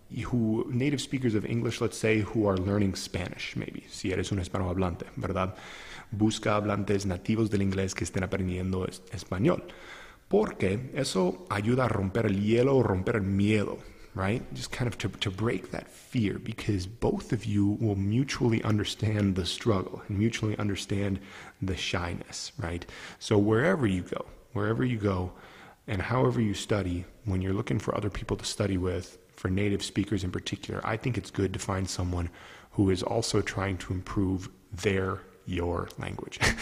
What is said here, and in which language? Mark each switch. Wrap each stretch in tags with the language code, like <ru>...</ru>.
<en>Who native speakers of English, let's say, who are learning Spanish, maybe.</en> <es>Si eres un hispanohablante, ¿verdad? Busca hablantes nativos del inglés que estén aprendiendo español. Porque eso ayuda a romper el hielo, romper el miedo, right?</es> <en>Just kind of to break that fear, because both of you will mutually understand the struggle and mutually understand the shyness, right? So wherever you go, and however you study, when you're looking for other people to study with, for native speakers in particular, I think it's good to find someone who is also trying to improve your language.</en>